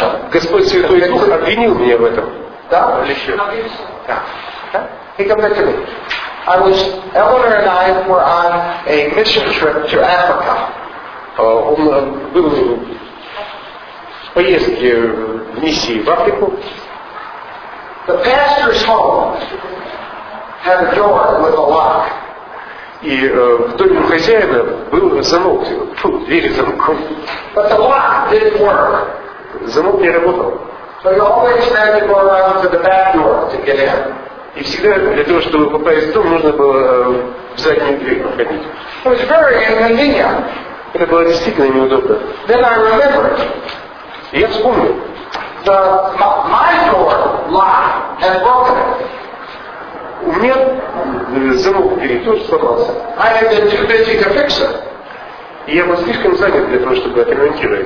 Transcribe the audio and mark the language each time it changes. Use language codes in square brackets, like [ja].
[ru] Господь Святой Дух обвинил меня в этом. Да? Или еще? [en] Да. He convicted me. I was, Eleanor and I were on a mission trip to Africa. [ru] Он был в поездке в миссии в Африку. [en] The pastor's home had a door with a lock. [ru] И в доме у хозяина был замок. Фу, двери замком. [en] But the lock didn't work. [ru] Замок не работал. [en] So you always had to go around to the back door to get in. [ru] И всегда для того, чтобы попасть в дом, нужно было в заднюю дверь проходить. [en] It was very inconvenient. [ru] Это было действительно неудобно. [en] Then I remembered. [ru] И я вспомнил. [en] The my door lock had broken. [ru] У меня замок двери тоже сломался. [en] I had been too busy to fix it. [ru] И я был слишком занят для того, чтобы отремонтировать.